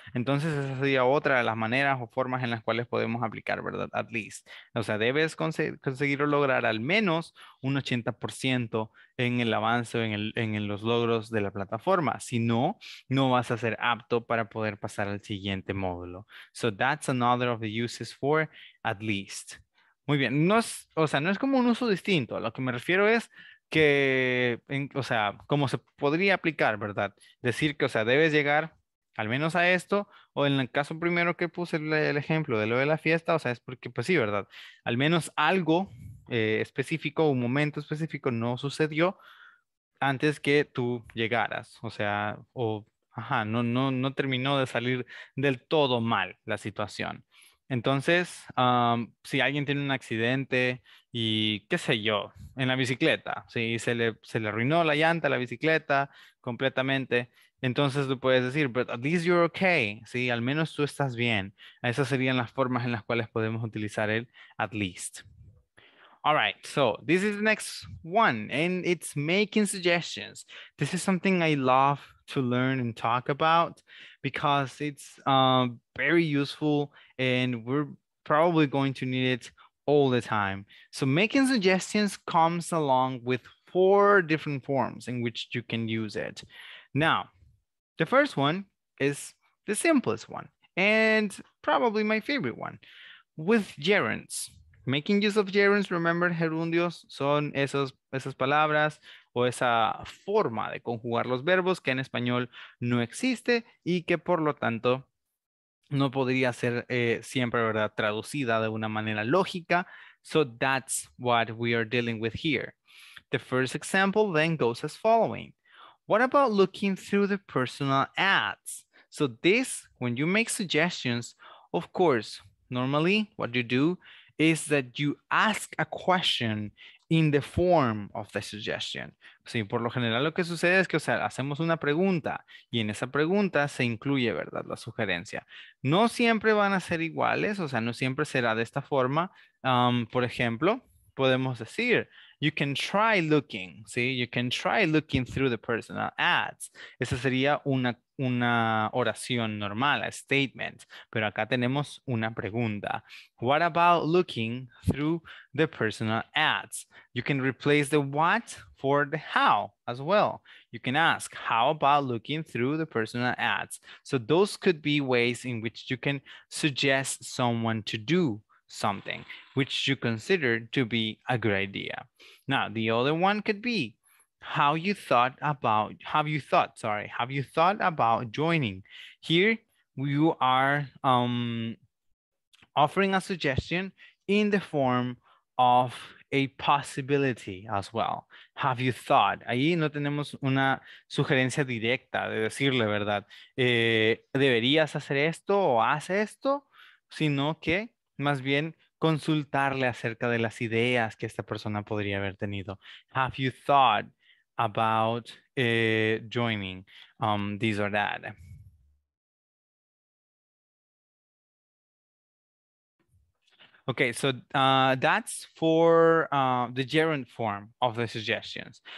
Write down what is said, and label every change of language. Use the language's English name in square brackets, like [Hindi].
[Spanish] Entonces, esa sería otra de las maneras o formas en las cuales podemos aplicar, ¿verdad? At least. O sea, debes conseguir o lograr al menos un 80% en el avance o en los logros de la plataforma. Si no, no vas a ser apto para poder pasar al siguiente módulo. [English] So that's another of the uses for at least. [Spanish] Muy bien. No es, o sea, no es como un uso distinto. Lo que me refiero es que, o sea, cómo se podría aplicar, ¿verdad? Decir que, o sea, debes llegar al menos a esto, o en el caso primero que puse el ejemplo de lo de la fiesta, o sea, es porque, pues sí, ¿verdad? Al menos algo específico, un momento específico no sucedió antes que tú llegaras, o sea, o, ajá, no terminó de salir del todo mal la situación. Entonces, si alguien tiene un accidente y qué sé yo, en la bicicleta, si se le arruinó la llanta, la bicicleta completamente, entonces tú puedes decir, [English] but at least you're okay, [Spanish] ¿sí? Al menos tú estás bien. Esas serían las formas en las cuales podemos utilizar el at least. [English] All right, so this is the next one, and it's making suggestions. This is something I love to learn and talk about because it's very useful and we're probably going to need it all the time. So making suggestions comes along with four different forms in which you can use it. Now, the first one is the simplest one and probably my favorite one, with gerunds. Making use of gerunds, remember, [Spanish] gerundios son esas palabras o esa forma de conjugar los verbos que en español no existe y que por lo tanto no podría ser siempre, ¿verdad?, traducida de una manera lógica. [English] So that's what we are dealing with here. The first example then goes as following. What about looking through the personal ads? So this, when you make suggestions, of course, normally what you do is that you ask a question in the form of the suggestion. [Spanish] Sí, por lo general lo que sucede es que, o sea, hacemos una pregunta y en esa pregunta se incluye, ¿verdad?, la sugerencia. No siempre van a ser iguales, o sea, no siempre será de esta forma. Por ejemplo, podemos decir, [English] you can try looking, [Spanish] ¿sí? [English] You can try looking through the personal ads. [Spanish] Esa sería una oración normal, [English] a statement, [Spanish] pero acá tenemos una pregunta. [English] What about looking through the personal ads? You can replace the what for the how as well. You can ask, how about looking through the personal ads? So those could be ways in which you can suggest someone to do something which you consider to be a good idea. Now, the other one could be, have you thought about joining? Here you are offering a suggestion in the form of a possibility as well. Have you thought? [Spanish] Ahí no tenemos una sugerencia directa de decirle, ¿verdad? ¿Deberías hacer esto o haz esto? Sino que más bien consultarle acerca de las ideas que esta persona podría haber tenido. [English] Have you thought about joining this or that? Okay, so that's for the gerund form of the suggestions.